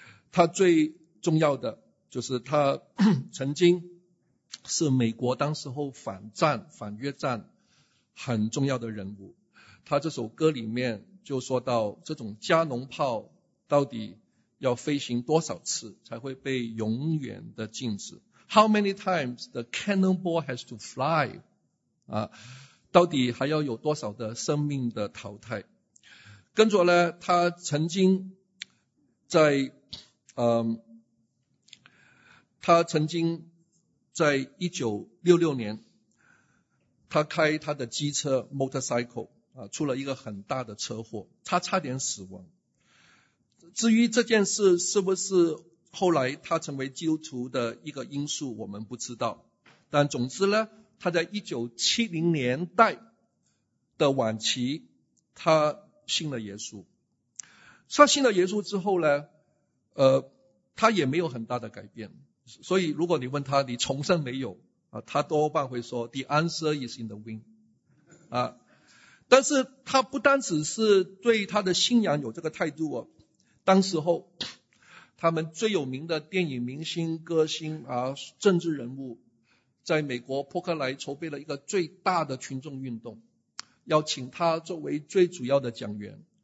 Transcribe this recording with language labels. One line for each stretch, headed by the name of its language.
Chinese: 他最重要的就是他曾经是美国当时候反越战很重要的人物。他这首歌里面就说到这种加农炮到底要飞行多少次才会被永远的禁止。
English: How many times the cannonball has to fly?
Chinese: 啊，到底还要有多少的生命的淘汰？跟着呢，他曾经在，他曾经在1966年，他开他的机车 motorcycle 啊，出了一个很大的车祸，他差点死亡。至于这件事是不是后来他成为基督徒的一个因素，我们不知道。但总之呢，他在1970年代的晚期，他信了耶稣。他信了耶稣之后呢，他也没有很大的改变。所以如果你问他，你重生没有？他多半会说 ,
English: the answer is in the wind。
Chinese: 但是他不单只是对他的信仰有这个态度，当时候他们最有名的电影明星、歌星啊，政治人物，在美国波克莱筹备了一个最大的群众运动，要请他作为最主要的讲员。